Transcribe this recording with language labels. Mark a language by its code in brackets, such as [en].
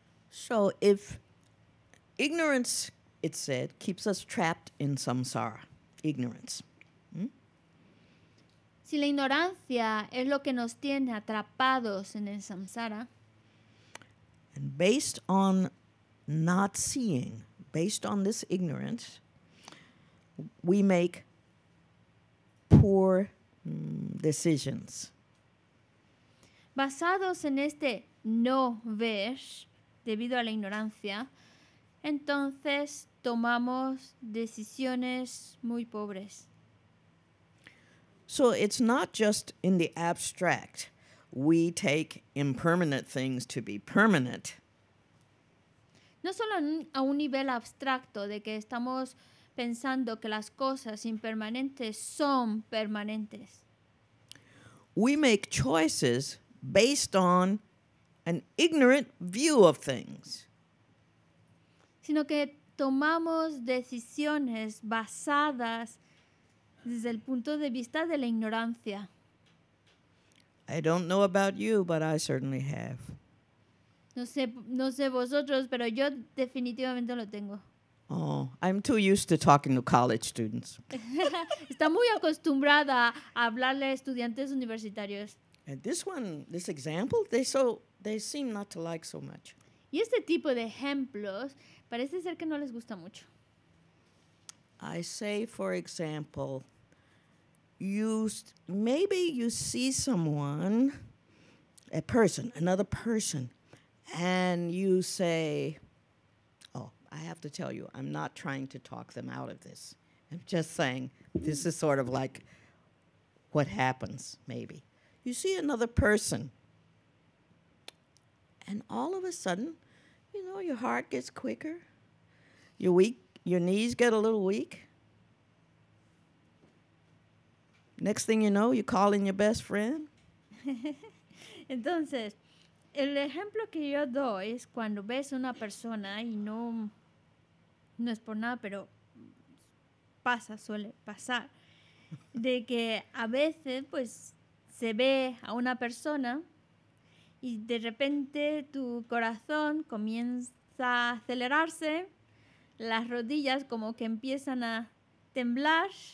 [en] So if ignorance, it said, keeps us trapped in samsara, ignorance. [es] Si la ignorancia es lo que nos tiene atrapados en el samsara, [en] and based on not seeing, based on this ignorance, we make poor decisions. [es] Basados en este no ver, debido a la ignorancia, entonces tomamos decisiones muy pobres. [en] So it's not just in the abstract. We take impermanent things to be permanent. [es] No solo a un nivel abstracto de que estamos pensando que las cosas impermanentes son permanentes. [en] We make choices based on an ignorant view of things. [es] Sino que tomamos decisiones basadas desde el punto de vista de la ignorancia. [en] I don't know about you, but I certainly have. [es] No sé vosotros, pero yo definitivamente lo tengo. [en] Oh, I'm too used to talking to college students. [es] Está muy acostumbrada a hablarle a estudiantes universitarios. [en] And this one, this example, they seem not to like so much. [es] Y este tipo de ejemplos parece ser que no les gusta mucho. [en] I say, for example, maybe you see someone, a person, another person, and you say, oh, I have to tell you, I'm not trying to talk them out of this. I'm just saying, this is sort of like what happens, maybe. You see another person, and all of a sudden, you know, your heart gets quicker, you're weak, your knees get a little weak. Next thing you know, you call in your best friend. [es] Entonces, el ejemplo que yo doy es cuando ves a una persona y no es por nada, pero pasa, suele pasar, de que a veces pues se ve a una persona y de repente tu corazón comienza a acelerarse, las rodillas como que empiezan a temblar.